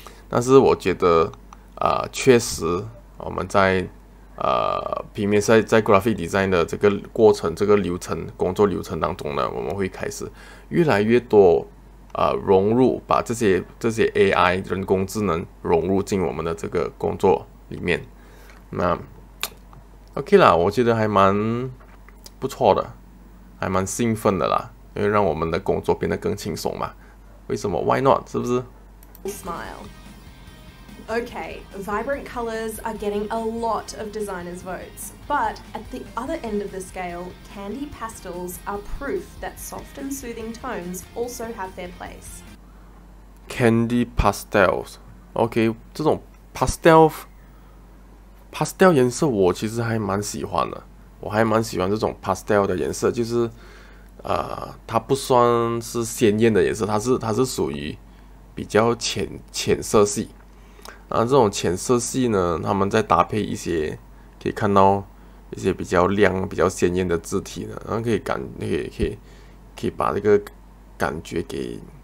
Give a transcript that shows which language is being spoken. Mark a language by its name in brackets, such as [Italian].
[Chinese] 但是我觉得、确实我们在、平面设计在 graphic design 的这个过程这个流程工作流程当中呢，我们会开始越来越多、融入把这些 AI 人工智能融入进我们的这个工作里面。那OK 啦，我觉得还蛮不错的，还蛮兴奋的啦，因为让我们的工作变得更轻松嘛。为什么 ？ [English] Why not？ [Chinese] 是不是 [English] ？Smile. OK, vibrant colors are getting a lot of designers' votes, but at the other end of the scale, candy pastels are proof that soft and soothing tones also have their place. Candy pastels. [Chinese] OK， 这种 pastel 颜色我其实还蛮喜欢的，我还蛮喜欢这种 pastel 的颜色，就是、它不算是鲜艳的颜色，它是属于比较浅色系，那这种浅色系呢，他们在搭配一些可以看到一些比较亮比较鲜艳的字体呢，然后可以把这个感觉给、